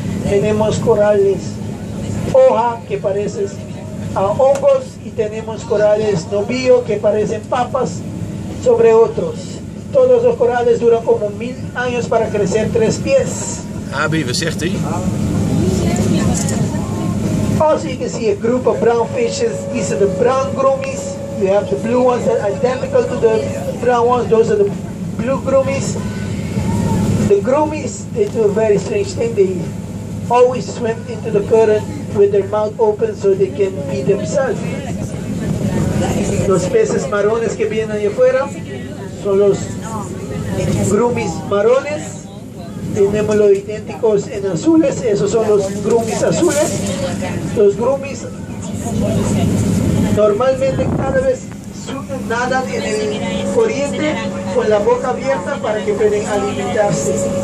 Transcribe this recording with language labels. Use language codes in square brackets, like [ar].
[es] Tenemos corales hoja, que parece a hongos. Y tenemos corales novillo, que parecen papas, sobre otros. Todos los corales duran como 1000 años para crecer 3 pies. Abi, ¿qué dice? [en] Also, you can see a group of brown fishes. These are the brown groomies. You have the blue ones that are identical to the brown ones. Those are the blue groomies. The groomies, they do a very strange thing. They always swim into the current with their mouth open so they can feed themselves. [es] Los peces marrones que vienen ahí afuera son los groomies marrones. Tenemos los idénticos en azules, esos son los groomies azules. Los groomies normalmente cada vez nadan en el corriente con la boca abierta para que puedan alimentarse.